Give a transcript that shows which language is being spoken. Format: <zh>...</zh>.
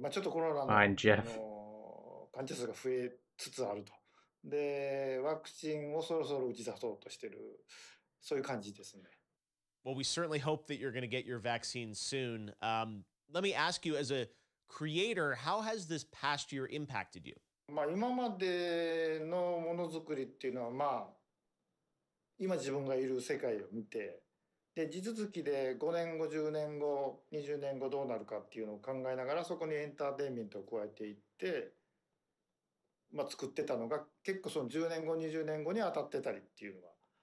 <ja>まあちょっとコロナの患者数が増えつつあると。で、ワクチンをそろそろ打ち出そうとしてる、そういう感じですね。</ja> <en>Well, we certainly hope that you're going to get your vaccine soon. Let me ask you, as a creator, how has this past year impacted you?</en> <ja>まあ今までのものづくりっていうのは、まあ今自分がいる世界を見て、で地続きで5年後、10年後、20年後どうなるかっていうのを考えながら、そこにエンターテインメントを加えていって、まあ作ってたのが結構その10年後、20年後に当たってたりっていうのは。</ja>